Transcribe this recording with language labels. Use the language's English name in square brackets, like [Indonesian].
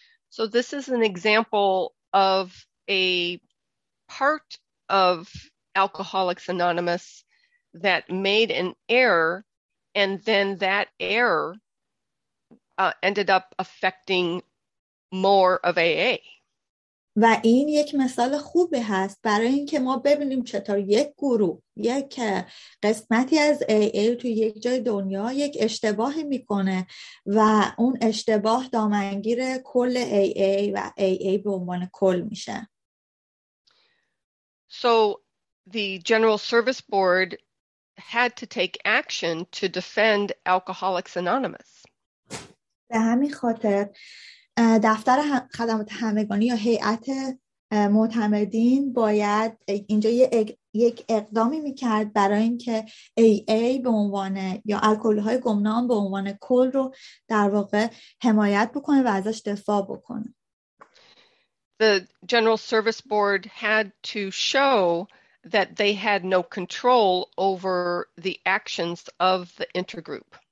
[English] So this is an example of a part of Alcoholics Anonymous that made an error, and then that error ended up affecting more of AA. [Persian] و این یک مثال خوبی هست برای اینکه ما ببینیم چطور یک گروه، یک قسمتی از AA تو یک جای دنیا یک اشتباه میکنه و اون اشتباه دامنگیر کل AA و AA به عنوان کل میشه. [English] So the General Service Board had to take action to defend Alcoholics Anonymous. [Persian] به همین خاطر دفتر خدمات همگانی یا هیئت معتمدین باید اینجا یک اقدامی میکرد برای اینکه AA به عنوان یا الکل‌های گمنام به عنوان کل رو در واقع حمایت بکنه و ازش دفاع بکنه. [English] The General Service Board had to show that they had no control over the actions of the intergroup.